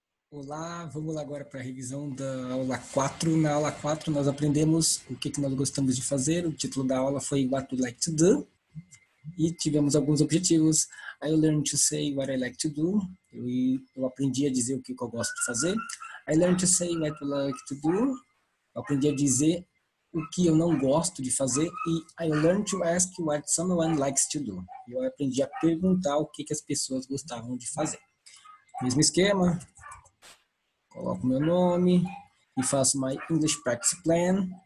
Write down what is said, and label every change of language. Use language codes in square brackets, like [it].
[pt] Olá, vamos lá agora para a revisão da aula 4. Na aula 4, nós aprendemos o que nós gostamos de fazer. O título da aula foi [en] What Would Like to Do? [pt] E tivemos alguns objetivos. [en] I learned to say what I like to do. [pt] Eu aprendi a dizer o que eu gosto de fazer. [en] I learned to say what I like to do. [pt] Eu aprendi a dizer o que eu não gosto de fazer. [en] E I learned to ask what someone likes to do. [pt] Eu aprendi a perguntar o que as pessoas gostavam de fazer. Mesmo esquema. Coloco meu nome e faço [en] my English practice plan.